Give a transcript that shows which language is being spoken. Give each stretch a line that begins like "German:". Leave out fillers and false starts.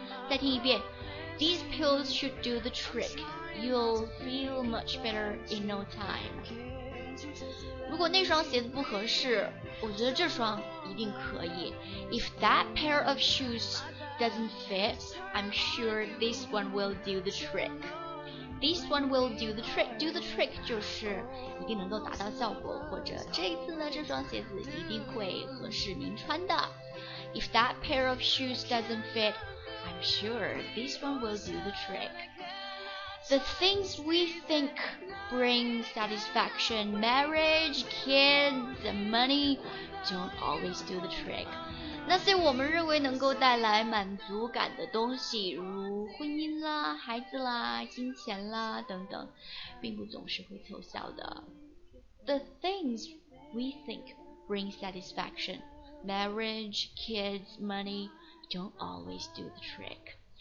Chinese: 再听一遍，
English: these pills should do the trick，You'll feel much better in no time。
Chinese: 如果那双鞋子不合适，我觉得这双一定可以。
English: If that pair of shoes doesn't fit, I'm sure this one will do the trick。 This one will do the trick。
Chinese: Do the trick 就是一定能够达到效果，或者这一次呢，这双鞋子一定会合适您穿的。
English: If that pair of shoes doesn't fit, I'm sure this one will do the trick。 The things we think bring satisfaction, marriage, kids, money, don't always do the trick.
Chinese: 那些我们认为能够带来满足感的东西，如婚姻啦、孩子啦、金钱啦等等，并不总是会奏效的。
English: The things we think bring satisfaction, marriage, kids, money, don't always do the trick.